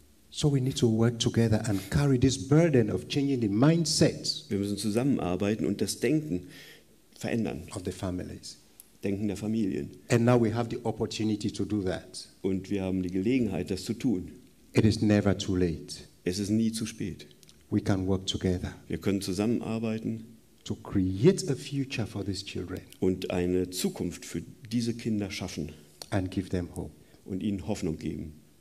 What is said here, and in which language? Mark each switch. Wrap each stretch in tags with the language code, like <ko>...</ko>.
<en>So we need to work together and carry this burden of changing the mindset.</en> <de>Wir müssen zusammenarbeiten und das Denken verändern.</de> <en>Of the families.</en> <de>Denken der Familien.</de> <en>And now we have the opportunity to do that.</en> <de>Und wir haben die Gelegenheit, das zu tun.</de> <en>It is never too late.</en> <de>Es ist nie zu spät.</de> <en>We can work together.</en> <de>Wir können zusammenarbeiten.</de> <en>To create a future for these children.</en> <de>Und eine Zukunft für diese Kinder schaffen.</de> <en>And give them hope.</en> <de>Und ihnen Hoffnung geben.</de>